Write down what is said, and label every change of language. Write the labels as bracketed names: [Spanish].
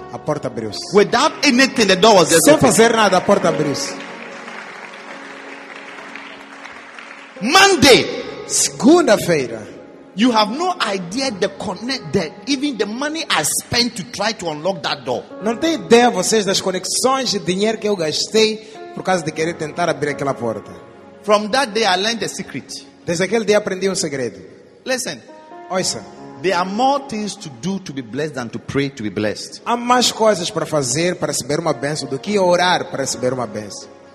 [Portuguese] A porta abriu-se. [English] Without anything, the door was [Portuguese] sem [English] open. [Portuguese] Fazer nada, a porta abriu-se. [English] Monday. [Portuguese] Segunda-feira. [English] You have no idea the connect that even the money I spent to try to unlock that door. [Portuguese] Não tem ideia vocês das conexões de dinheiro que eu gastei por causa de querer tentar abrir aquela porta. [English] From that day I learned the secret. [Portuguese] Desde aquele dia aprendi segredo. [English] Listen. [Portuguese] Ouça. [English] There are more things to do to be blessed than to pray to be blessed. [Portuguese] Há mais coisas para fazer para receber uma bênção do que orar para receber uma bênção.